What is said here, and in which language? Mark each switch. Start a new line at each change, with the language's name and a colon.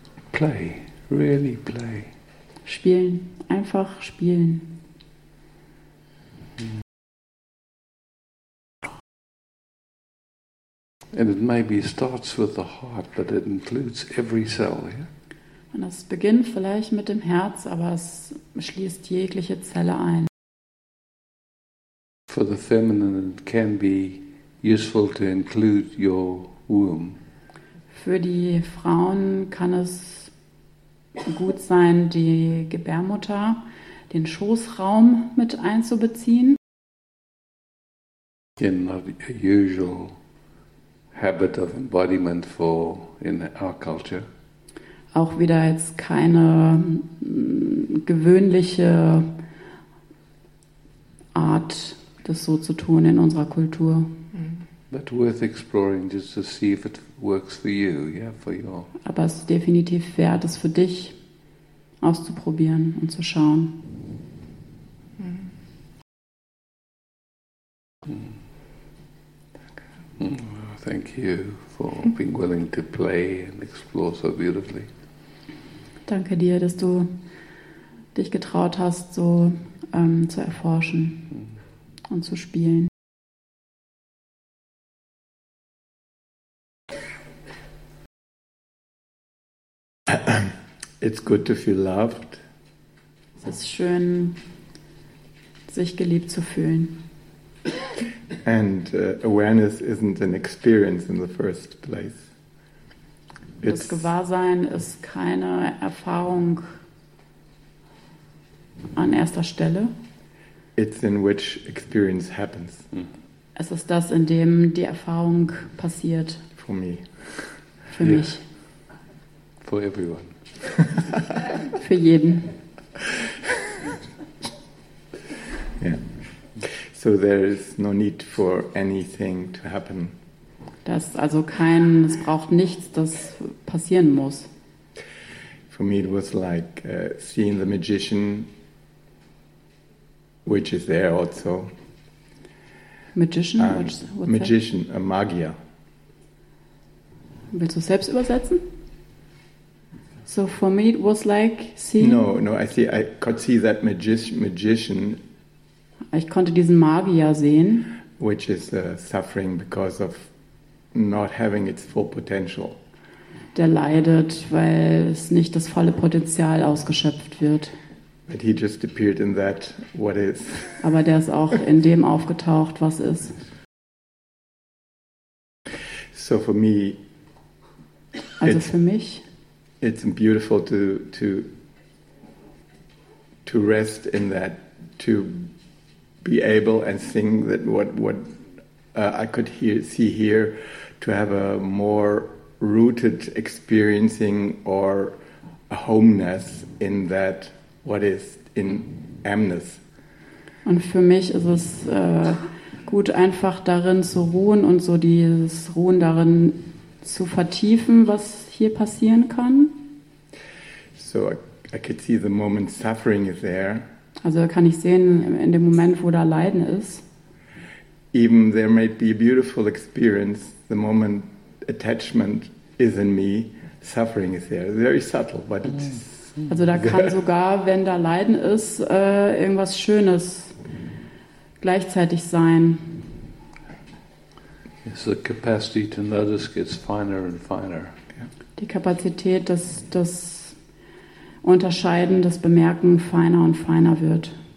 English: play, really play.
German: Spielen, einfach spielen.
English: And it maybe starts with the heart, but it includes every cell. Yeah?
German: Und es beginnt vielleicht mit dem Herz, aber es schließt jegliche Zelle ein.
English: For the feminine, it can be useful to include your womb.
German: Für die Frauen kann es gut sein, die Gebärmutter, den Schoßraum mit einzubeziehen.
English: In the usual habit of embodiment for in our culture.
German: Auch wieder jetzt keine gewöhnliche Art, das so zu tun in unserer Kultur.
English: But worth exploring just to see if it works for you, yeah, for your.
German: Aber es ist definitiv wert, es für dich auszuprobieren und zu schauen.
English: Thank you for being willing to play and explore so beautifully.
German: Danke dir, dass du dich getraut hast, so zu erforschen und zu spielen.
English: It's good to feel loved.
German: Es ist schön, sich geliebt zu fühlen.
English: And awareness isn't an experience in the first place.
German: Das Gewahrsein ist keine Erfahrung an erster Stelle.
English: It's in which experience happens.
German: Es ist das, in dem die Erfahrung passiert.
English: For me.
German: Für yeah. mich.
English: For everyone.
German: Für jeden.
English: Yeah. So there is no need for anything to happen.
German: Das also kein, es braucht nichts, das passieren muss.
English: For me it was like seeing the magician, which is there also. Magician? What's magician, that? A Magier.
German: Willst du selbst übersetzen?
English: So for me it was like seeing... No, I could see that magician...
German: Ich konnte diesen Magier sehen.
English: Which is suffering because of not having its full potential.
German: Der leidet, weil es nicht das volle Potenzial ausgeschöpft wird.
English: But he just appeared in that what is.
German: Aber der ist auch in dem aufgetaucht, was ist.
English: So for me,
German: also für mich,
English: it's beautiful to rest in that, to be able and sing that what I could see here, to have a more rooted experiencing or a homeness in that what is in amness.
German: Und für mich ist es gut, einfach darin zu ruhen und so dieses Ruhen darin zu vertiefen, was hier passieren kann.
English: So I could see the moment suffering is there.
German: Also kann ich sehen, in dem Moment, wo da Leiden ist.
English: Even there may be a beautiful experience, the moment attachment is in me, suffering is there. Very subtle, but it's...
German: Also da kann sogar, wenn da Leiden ist, irgendwas Schönes gleichzeitig sein.
English: It's the capacity to notice gets finer and finer.
German: Die Kapazität, das Unterscheiden, das Bemerken feiner und feiner wird.